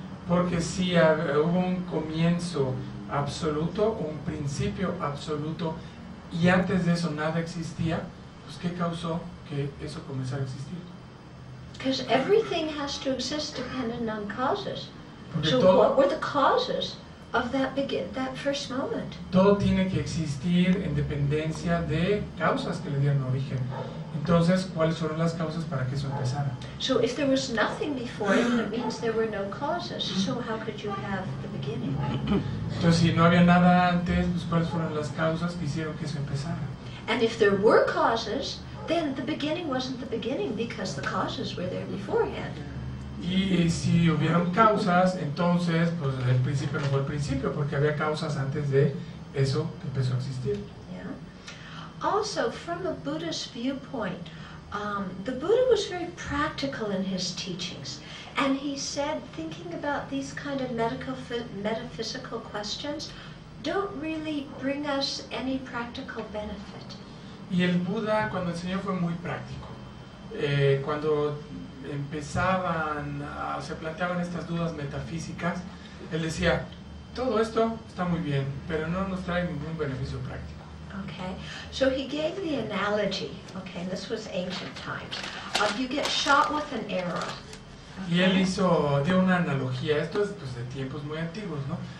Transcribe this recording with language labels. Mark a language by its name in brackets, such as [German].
[Spanish] Porque si hubo un comienzo absoluto, un principio absoluto, y antes de eso nada existía, pues ¿qué causó que eso comenzara a existir? [English] Because everything has to exist dependent on causes. [Spanish] Porque [English] so [Spanish] todo, [English] what were the causes of that first moment? [Spanish] Todo tiene que existir en dependencia de causas que le dieron origen. Entonces, ¿cuáles fueron las causas para que eso empezara? [English] So if there was nothing before, it means there were no causes. So how could you have the beginning? [Spanish] Entonces, si no había nada antes, pues ¿cuáles fueron las causas que hicieron que eso empezara? [English] And if there were causes, then the beginning wasn't the beginning because the causes were there beforehand. [Spanish] Y si hubieron causas, entonces pues el principio no fue el principio porque había causas antes de eso que empezó a existir. [English] Yeah. Also, from a Buddhist viewpoint, the Buddha was very practical in his teachings, and he said thinking about these kind of metaphysical questions don't really bring us any practical benefit. [Spanish] Y el Buda, cuando enseñó, fue muy práctico. Cuando empezaban, se planteaban estas dudas metafísicas, él decía, todo esto está muy bien, pero no nos trae ningún beneficio práctico. [English] Okay, so he gave the analogy, okay, this was ancient times, of you get shot with an arrow. Okay. [Spanish] Y él hizo, dio una analogía, esto es pues, de tiempos muy antiguos, ¿no?